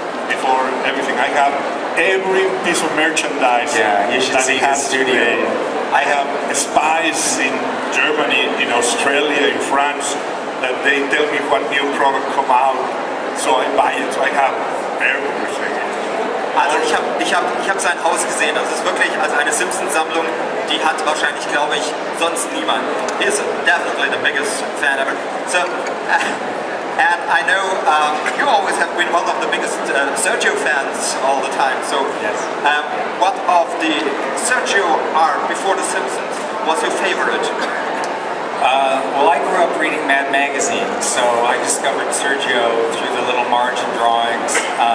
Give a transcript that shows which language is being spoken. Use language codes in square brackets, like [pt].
[en] Before everything, I have every piece of merchandise. Yeah, you should that see his studio. Today. I have spies in Germany, in Australia, in France, that they tell me what new product come out, so I buy it. So I have everything. [de] Also, ich hab sein Haus gesehen. Das ist wirklich also eine Simpsons-Sammlung, die hat wahrscheinlich, glaube ich, sonst niemand. [en] He is definitely the biggest fan ever. So. And I know you always have been one of the biggest Sergio fans all the time. So, yes. What of the Sergio art before The Simpsons was your favorite? Well, I grew up reading Mad Magazine, so I discovered Sergio through the little margin drawings.